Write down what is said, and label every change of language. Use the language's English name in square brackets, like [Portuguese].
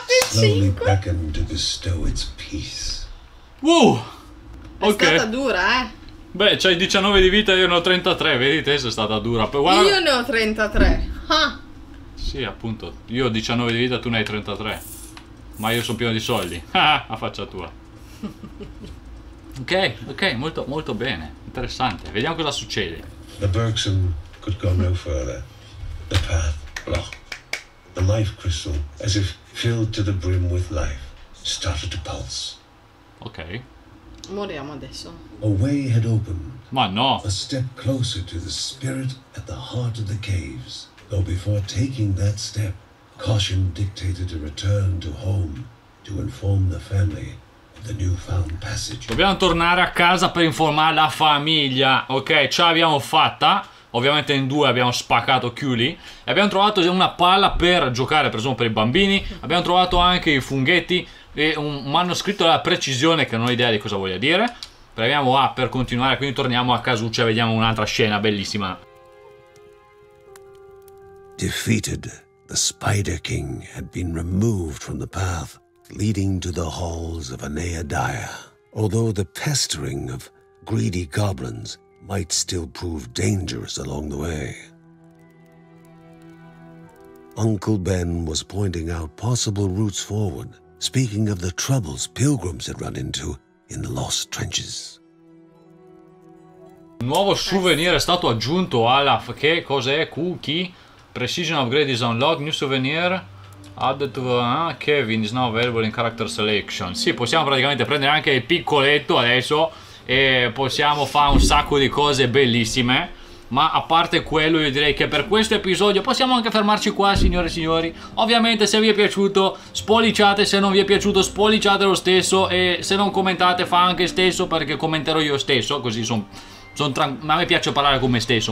[English] Slowly beckoned to bestow its peace. Okay. [Italian] È stata dura, eh? Beh, c'hai 19 di vita e io ne ho 33, vedi te se è stata dura. Guarda... Io ne ho 33. Sì, appunto. Io ho 19 di vita, tu ne hai 33. Ma io sono pieno di soldi. A faccia tua. Ok, ok, molto, molto bene. Interessante. Vediamo cosa succede. [English] The Bergson could go no further. The path blocked. The life crystal, as if filled to the brim with life, started to pulse. Ok. [Italian] Moriamo adesso. [English] A way had opened. [Italian] Ma no. [English] A step closer to the spirit at the heart of the caves. Though before taking that step, caution dictated a return to home to inform the family of the newfound passage. [Italian] Dobbiamo tornare a casa per informare la famiglia. Ok, ce l'abbiamo fatta. Ovviamente in due abbiamo spaccato Culi. E abbiamo trovato una palla per giocare, presumo per i bambini. Abbiamo trovato anche i funghetti e un manoscritto della precisione che non ho idea di cosa voglia dire. Proviamo a per continuare, quindi torniamo a casuccia e vediamo un'altra scena bellissima. [English] Defeated, the Spider King had been removed from the path leading to the halls of Anaya Dire. Although the pestering of greedy goblins might still prove dangerous along the way. Uncle Ben was pointing out possible routes forward, speaking of the troubles pilgrims had run into in the lost trenches. [Italian] Un nuovo souvenir è stato aggiunto alla... Che cos'è? Cookie? [English] Precision upgrade is unlocked. New souvenir added to... Kevin is now available in character selection. [Italian] Sì, possiamo praticamente prendere anche il piccoletto adesso e possiamo fare un sacco di cose bellissime. Ma a parte quello, io direi che per questo episodio possiamo anche fermarci qua, signore e signori. Ovviamente se vi è piaciuto spolliciate, se non vi è piaciuto spolliciate lo stesso, e se non commentate fa anche stesso, perché commenterò io stesso, così son tranquillo. A me piace parlare con me stesso.